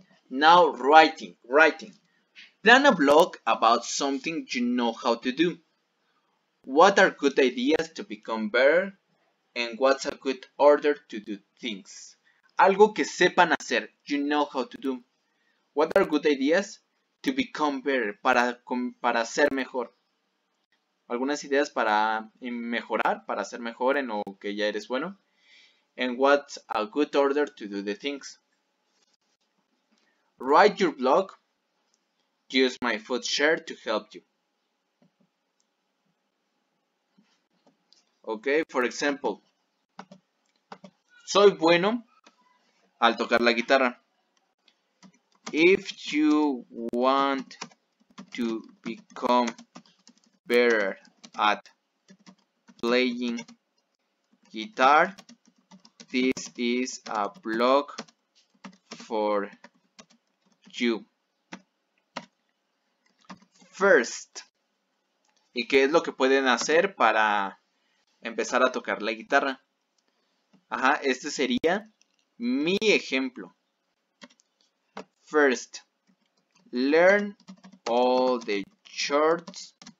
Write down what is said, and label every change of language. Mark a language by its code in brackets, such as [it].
[en] Now writing. Plan a blog about something you know how to do. What are good ideas to become better? And what's a good order to do things? [es] Algo que sepan hacer, [en] you know how to do. What are good ideas to become better, [es] para ser mejor? Algunas ideas para mejorar, para ser mejor en lo que ya eres bueno. [en] And what's a good order to do the things? Write your blog. Use my food share to help you. Okay, for example. [es] Soy bueno al tocar la guitarra. [en] If you want to become better at playing guitar, this is a blog for you. [es] First, ¿y qué es lo que pueden hacer para empezar a tocar la guitarra? Ajá, este sería mi ejemplo. [en] First, learn all the chords.